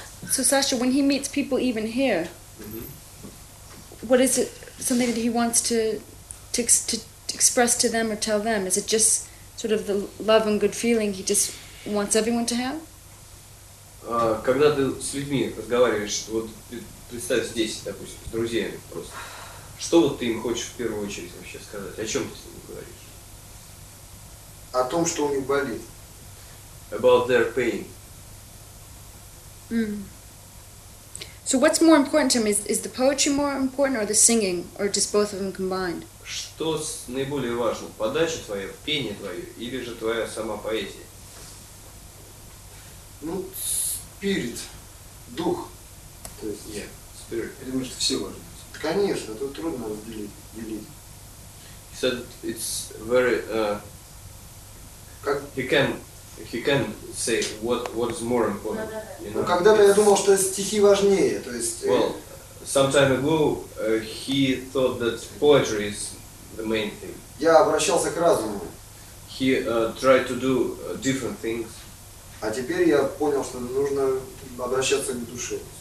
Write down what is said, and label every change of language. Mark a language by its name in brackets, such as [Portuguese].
[English] So Sasha, when he meets people even here, mm-hmm. what is it? Something that he wants to express to them or tell them? Is it just sort of the love and good feeling he just wants everyone to have? [Russian] Когда ты с людьми разговариваешь, вот представь здесь, допустим, с друзьями просто, что вот ты им хочешь в первую очередь вообще сказать? О чем ты с ними говоришь? О том, что у них болит. [English] About their pain. Mm. So what's more important to him? Is the poetry more important or the singing? Or just both of them combined? [Russian] Что наиболее важно? Подача твоя, пение твое, или же твоя сама поэзия? Ну, спирит, дух. То есть, [English] yeah, spirit. [Russian] Я думаю, что все важно. Конечно, тут трудно разделить. [English] He said it's very... He can say what is more important. You know? [Russian] Ну, когда-то я думал, что стихи важнее. То есть, [English] well, some time ago he thought that poetry is the main thing. [Russian] Я обращался к разуму. [English] He tried to do different things. [Russian] А теперь я понял, что нужно обращаться к душе.